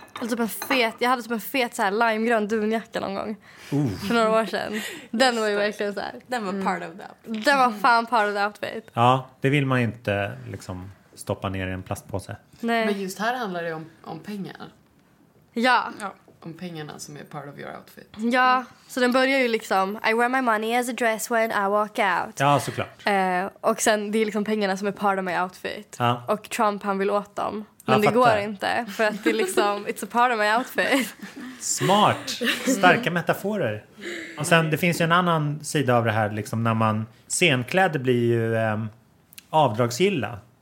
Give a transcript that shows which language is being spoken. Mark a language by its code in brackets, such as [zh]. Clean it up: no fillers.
[sv] Alltså en fet, jag hade typ en fet så här limegrön dunjacka någon gång. För några år sedan. Den var ju verkligen så här. Den var [en] part of the outfit. [sv] Den var fan [en] part of the outfit. [sv] Ja, det vill man ju inte liksom stoppa ner i en plastpåse. Nej. Men just här handlar det om pengar. Ja. Om pengarna som är [en] part of your outfit. [sv] Ja, så den börjar ju liksom [en] I wear my money as a dress when I walk out. [sv] Ja, såklart. Och sen det är liksom pengarna som är [en] part of my outfit. [sv] Ja. Och Trump han vill åt dem. Men ja, det fattar. Går inte, för att det är liksom [en] it's a part of my outfit. [sv] Smart. Starka metaforer. Och sen det finns ju en annan sida av det här, liksom när man scenkläder blir ju avdragsgilla.